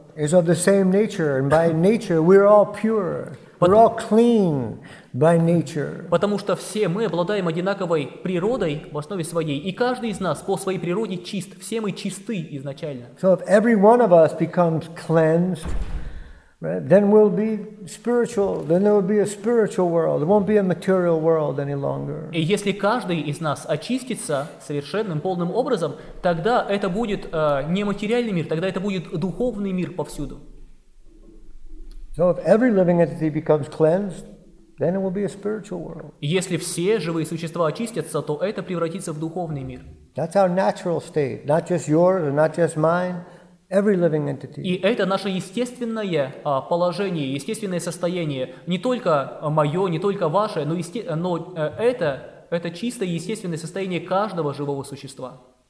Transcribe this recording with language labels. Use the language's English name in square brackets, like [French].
[English] is of the same nature, and by nature we're all pure. We're all clean by nature. [Russian] Потому что все мы обладаем одинаковой природой в основе своей, и каждый из нас по своей природе чист. Все мы чисты изначально. [English] So if every one of us becomes cleansed, right, then we'll be spiritual. Then there will be a spiritual world. There won't be a material world any longer. [Russian] И если каждый из нас очистится совершенным, полным образом, тогда это будет не материальный мир, тогда это будет духовный мир повсюду. [English] So if every living entity becomes cleansed, then it will be a spiritual world. [Russian] Если все живые существа очистятся, то это превратится в духовный мир. [English] That's our natural state, not just yours and not just mine. Every living entity. [Russian] И это наше естественное положение, естественное состояние, не только мое, не только ваше, но это чистое естественное состояние каждого живого существа.